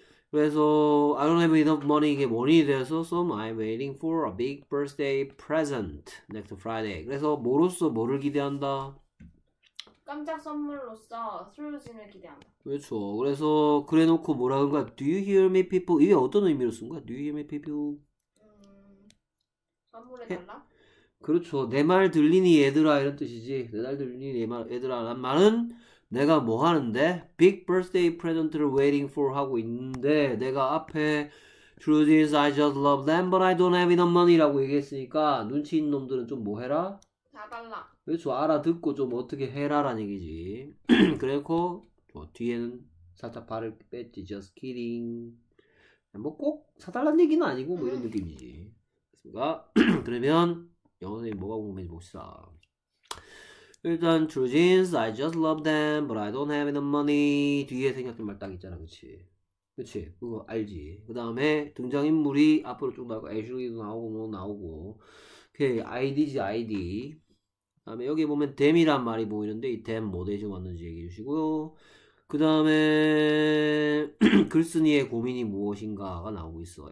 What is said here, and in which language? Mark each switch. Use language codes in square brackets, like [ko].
[ko] 그래서 [en] I don't have enough money [ko] 이게 뭐니 돼서 [en] so I'm waiting for a big birthday present next Friday. [ko] 그래서 뭐로써 뭐를 기대한다? 깜짝 선물로서 스루진을 기대한다. 그렇죠. 그래서 그래놓고 뭐라는 거야? [en] Do you hear me, people? [ko] 이게 어떤 의미로 쓴 거야? [en] Do you hear me, people? [ko] 선물해 달라? 그렇죠. 내말 들리니 얘들아 이런 뜻이지. 내말 들리니 내말 얘들아 란 말은. 내가 뭐 하는데? [en] Big birthday present [ko] 를 [en] waiting for [ko] 하고 있는데 내가 앞에 [en] Truth is I just love them but I don't have enough money [ko] 라고 얘기했으니까 눈치 있는 놈들은 좀뭐 해라? 달라. 그렇죠. 알아듣고 좀 어떻게 해라라는 얘기지. 그래놓고 뒤에는 살짝 발을 뺐지. [en] Just kidding. [ko] 뭐꼭 사달란 얘기는 아니고 뭐 이런 느낌이지. 그러면 영어선생님 뭐가 궁금해지 봅시다. 일단 [en] True Jeans, I just love them, but I don't have enough money. [ko] 뒤에 생략된 말딱 있잖아, 그치? 그치? 그거 알지? 그 다음에 등장인물이 앞으로 쭉 나오고, Ashley도 나오고, 뭐 나오고. 오케이, ID지, ID. 그 다음에 여기 보면 Them이란 말이 보이는데, 이 Them 뭐 대신 왔는지 얘기해 주시고요. 그 다음에 글쓴이의 고민이 무엇인가가 나오고 있어.